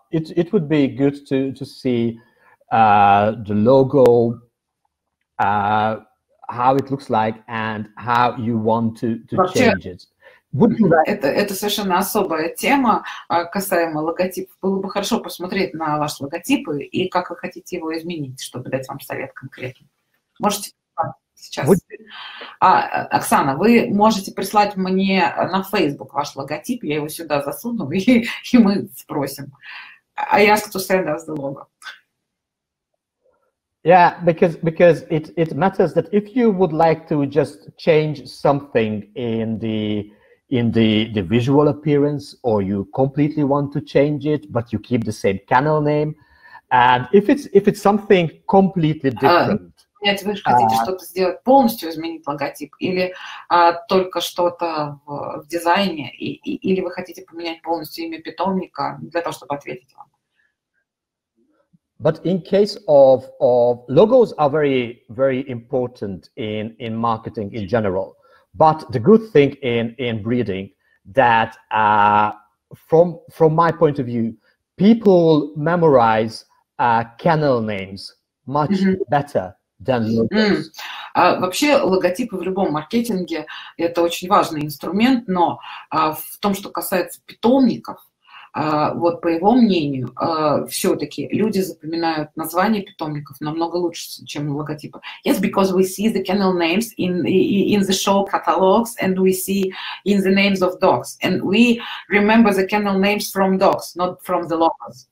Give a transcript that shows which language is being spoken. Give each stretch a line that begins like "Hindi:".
English: It would be good to see the logo, how it looks like, and how you want to change it.
Russian: Это совершенно особая тема, касаемо логотипов. Было бы хорошо посмотреть на ваш логотип и как вы хотите его изменить, чтобы дать вам совет конкретный. Можете сейчас. Оксана, вы можете прислать мне на Facebook ваш логотип, я его сюда засуну, и мы спросим.
English: I ask to send us the logo. Yeah, because it matters that if you would like to just change something in the visual appearance, or you completely want to change it, but you keep the same canal name, and if it's something completely different.
Russian: Нет, вы же хотите что-то сделать, полностью изменить логотип, или только что-то в дизайне, или вы хотите поменять полностью имя питомника для того, чтобы ответить вам.
English: But in case of logos are very, very important in marketing in general. But the good thing in breeding that from my point of view, people memorize canal names much better than logos. Mm.
Russian: Вообще логотипы в любом маркетинге это очень важный инструмент, но в том, что касается питомников, вот по его мнению, все-таки люди запоминают названия питомников намного лучше, чем логотипы.
English: Yes, because we see the kennel names in the show catalogs, and we see in the names of dogs, and we remember the kennel names from dogs, not from the logos.